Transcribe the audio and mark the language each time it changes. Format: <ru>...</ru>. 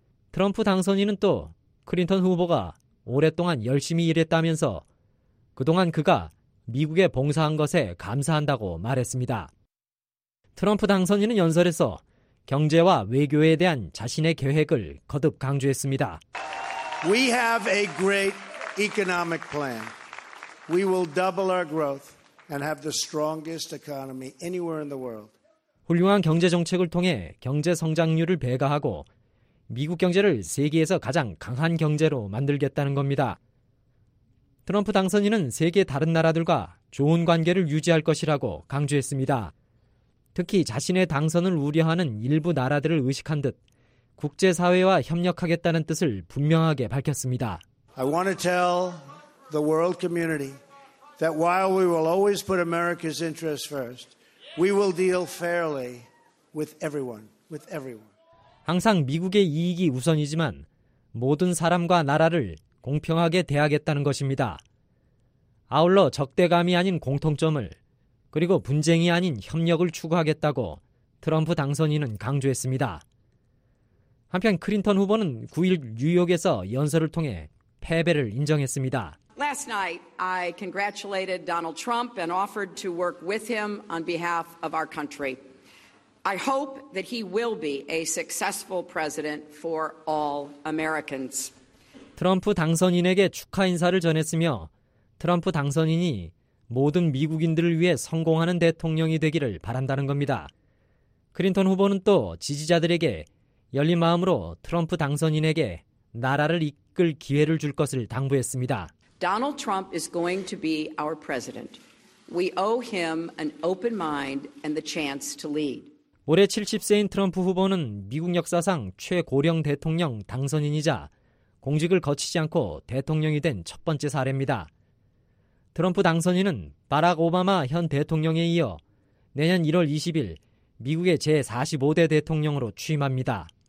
<ko>트럼프 당선인은 또 클린턴 후보가 오랫동안 열심히 일했다면서 그동안 그가 미국에 봉사한 것에 감사한다고 말했습니다. 트럼프 당선인은 연설에서 경제와 외교에 대한 자신의 계획을 거듭 강조했습니다.</ko> <en>We have a great economic plan. We will double our growth and have the strongest economy anywhere in the world.</en> <ko>훌륭한 경제 정책을 통해 경제 성장률을 배가하고 미국 경제를 세계에서 가장 강한 경제로 만들겠다는 겁니다. 트럼프 당선인은 세계 다른 나라들과 좋은 관계를 유지할 것이라고 강조했습니다. 특히 자신의 당선을 우려하는 일부 나라들을 의식한 듯 국제사회와 협력하겠다는 뜻을 분명하게 밝혔습니다.</ko> <en>I want to tell the world community that while we will always put America's interests first, we will deal fairly with everyone, with everyone.</en> <ko>항상 미국의 이익이 우선이지만 모든 사람과 나라를 공평하게 대하겠다는 것입니다. 아울러 적대감이 아닌 공통점을 그리고 분쟁이 아닌 협력을 추구하겠다고 트럼프 당선인은 강조했습니다. 한편 클린턴 후보는 9일 뉴욕에서 연설을 통해 패배를 인정했습니다.</ko> <en>Last night I congratulated Donald Trump and offered to work with him on behalf of our country. I hope that he will be a successful president for all Americans.</en> <ko>트럼프 당선인에게 축하 인사를 전했으며 트럼프 당선인이 모든 미국인들을 위해 성공하는 대통령이 되기를 바란다는 겁니다. 클린턴 후보는 또 지지자들에게 열린 마음으로 트럼프 당선인에게 나라를 이끌 기회를 줄 것을 당부했습니다.</ko> <en>Donald Trump is going to be our president. We owe him an open mind and the chance to lead.</en> <ko>올해 70세인 트럼프 후보는 미국 역사상 최고령 대통령 당선인이자 공직을 거치지 않고 대통령이 된 첫 번째 사례입니다. 트럼프 당선인은 바락 오바마 현 대통령에 이어 내년 1월 20일 미국의 제45대 대통령으로 취임합니다.</ko>